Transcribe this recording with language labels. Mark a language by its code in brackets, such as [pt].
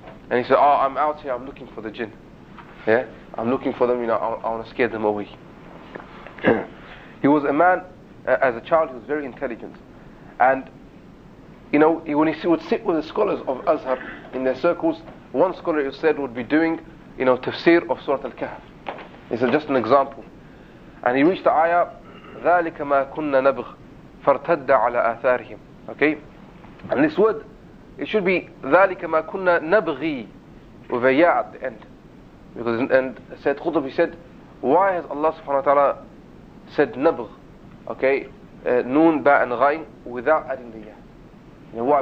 [en] And he said, "Oh, I'm out here, I'm looking for the jinn. Yeah, I'm looking for them, you know, I want to scare them away." He was a man, as a child, he was very intelligent. And, you know, when he would sit with the scholars of Azhar in their circles, one scholar, he said, would be doing, you know, tafsir of Surah Al-Kahf. He said, just an example. And he reached the ayah, [ar] ذَلِكَ مَا كُنَّ نَبْغَ فَارْتَدَّ عَلَىٰ آثَارِهِمْ. [en] Okay? And this word, it should be [ar] ذَلِكَ مَا كُنَّ نَبْغِي [en] with a ya at the end. Because and Sayyid Qutb, he said, why has Allah subhanahu wa ta'ala said nabgh? Okay? Noon, ba, and ghay without adding the ya. You know why?